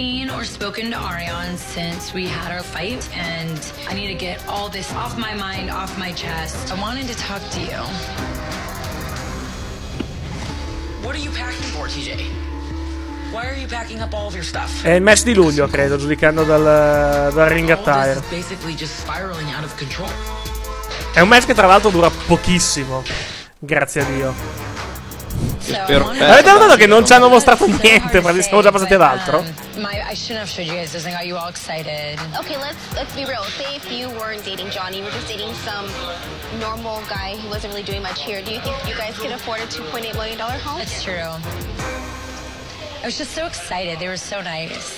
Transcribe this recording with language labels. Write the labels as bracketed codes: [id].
[en] Or spoken to Arion since we had our fight, and I need to get all this off my mind, off my chest. I wanted to talk to you. What are you packing for, TJ? Why are you packing up all of your stuff? [it] È il match di luglio, credo, giudicando dal ring attire. [en] Basically just spiraling out of control. [it] È un match che tra l'altro dura pochissimo, grazie a Dio. Avete notato che non ci hanno mostrato niente, ma siamo già passati ad altro. [en] I shouldn't have showed you guys this and got you all excited. Okay, let's be real. Say if you weren't dating Johnny, you were just dating some normal guy who wasn't really doing much here. Do you think you guys can afford a $2.8 million home? That's true. I was just so excited. They were so nice.